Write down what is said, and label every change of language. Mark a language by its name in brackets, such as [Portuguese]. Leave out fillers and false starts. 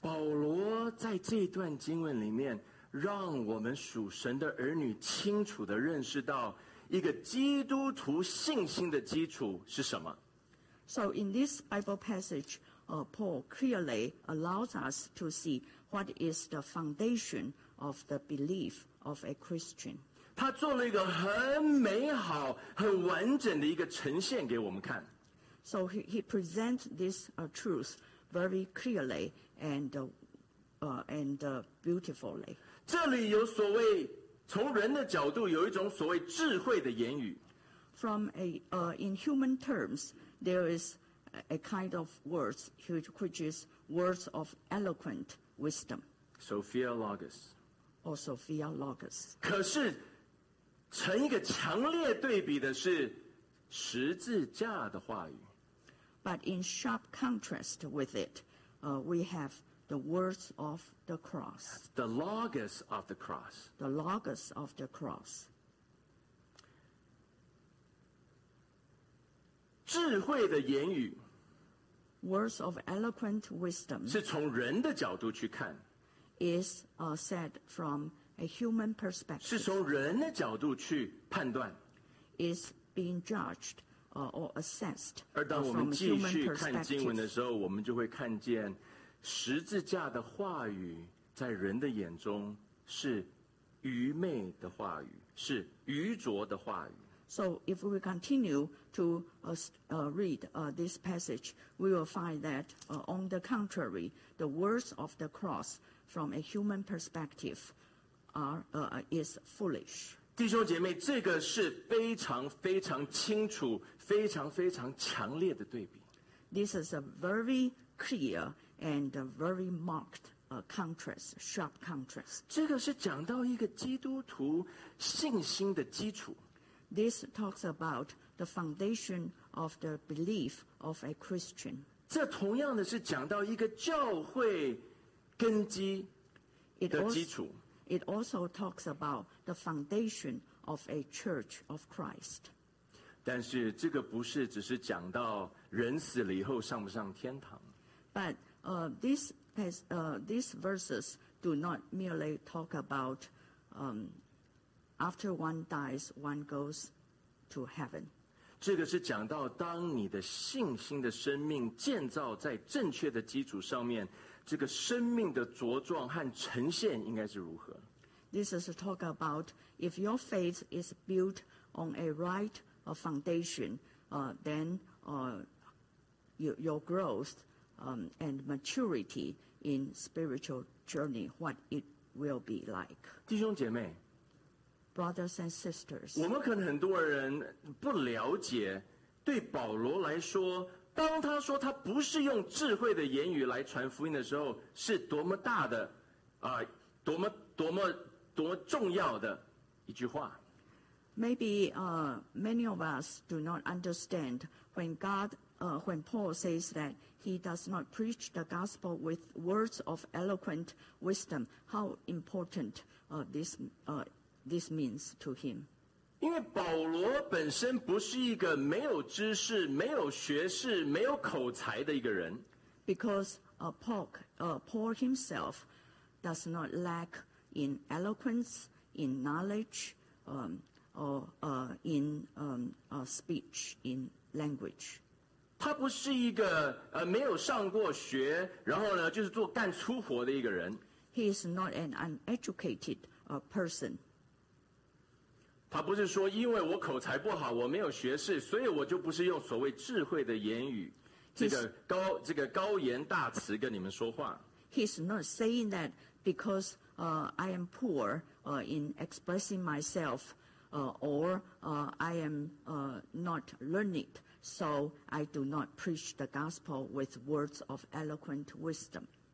[Chinese] 保罗在这段经文里面让我们属神的儿女清楚地认识到一个基督徒信心的基础是什么。 [English] So in this Bible passage, Paul clearly allows us to see what is the foundation of the belief of a Christian. [Chinese] 他做了一个很美好很完整的一个呈现给我们看。 [English] So he presents this truth very clearly and beautifully. [Chinese] 这里有所谓从人的角度有一种所谓智慧的言语。 [English] From in human terms, there is a kind of words which is words of eloquent wisdom. Sophia Logos. Or Sophia Logos. [Chinese] 可是成一个强烈对比的是十字架的话语。 [English] But in sharp contrast with it, we have the words of the cross. The Logos of the cross. The Logos of the cross. [Chinese] 智慧的言语 [English] Words of eloquent wisdom [Chinese] 是从人的角度去看 [English] is said from a human perspective. [Chinese] 是从人的角度去判断 [English] is being judged. Or assessed, [Chinese] 而当我们继续看经文的时候，我们就会看见十字架的话语在人的眼中是愚昧的话语，是愚拙的话语。 [English] So if we continue to read this passage, we will find that on the contrary, the words of the cross from a human perspective is foolish. [Chinese] 弟兄姐妹，这个是非常非常清楚、非常非常强烈的对比。 [English] This is a very clear and a very marked contrast, sharp contrast. [Chinese] 这个是讲到一个基督徒信心的基础。 [English] This talks about the foundation of the belief of a Christian. [Chinese] 这同样的是讲到一个教会根基的基础。 [English] It also talks about the foundation of a church of Christ. [Chinese] 但是这个不是只是讲到人死了以后上不上天堂。 [English] But these verses do not merely talk about after one dies, one goes to heaven. [Chinese] 这个是讲到当你的信心的生命建造在正确的基础上面，这个生命的茁壮和呈现应该是如何。 [English] This is to talk about if your faith is built on a right foundation, then your growth and maturity in spiritual journey, what it will be like. [Chinese] 弟兄姐妹 [English] Brothers and sisters. [Chinese] 我们可能很多人不了解，对保罗来说，当他说他不是用智慧的言语来传福音的时候，是多么大的多么重要的一句话。 [English] Maybe many of us do not understand when Paul says that he does not preach the gospel with words of eloquent wisdom, how important this means to him. [Chinese] 因为保罗本身不是一个没有知识、没有学识、没有口才的一个人。 [English] Because Paul himself does not lack in eloquence, in knowledge, or in speech, in language. [Chinese] 他不是一个没有上过学，然后呢，就是做干粗活的一个人。 [English] He is not an uneducated person. [Chinese] 他不是说因为我口才不好，我没有学识，所以我就不是用所谓智慧的言语，这个高言大词跟你们说话。 [English] He is not saying that because I am poor in expressing myself, or I am not learned, so I do not preach the gospel with words of eloquent wisdom.